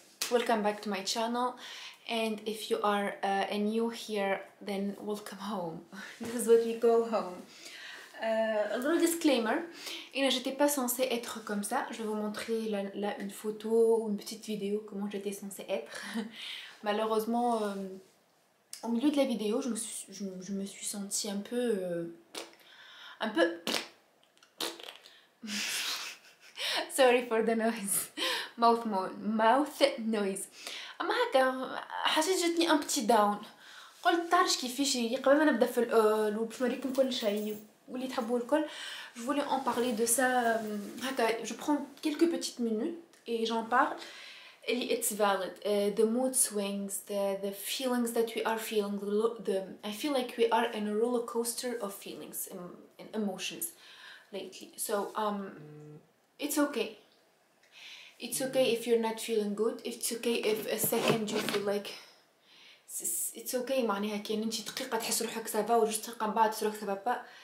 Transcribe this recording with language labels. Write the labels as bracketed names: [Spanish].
[English] Welcome back to my channel, and if you are a new here, then welcome home. This is where we go home. [French] A little disclaimer, et là, j'étais pas censée être comme ça. Je vais vous montrer là une photo ou une petite vidéo comment j'étais censée être. Malheureusement, au milieu de la vidéo, je me suis sentie un peu. [English] Sorry for the noise. Mouth noise. [Arabic] اما هكا حسيت جاتني ام بتي داون. قلت تعرفش كيفاش قبل ما نبدا في الاول وباش نوريكم كل شيء واللي تحبوه الكل. [French] Je voulais en parler de ça. هكا je prends quelques petites minutes et j'en parle. [English] It's valid. The mood swings, the feelings that we are feeling, I feel like we are in a roller coaster of feelings and emotions lately. So it's okay. It's okay if you're not feeling good. It's okay if a second you feel like it's okay. [Arabic] معناها كان انت دقيقة تحس روحك سافا و جوست دقيقة بعد تحس روحك سافا.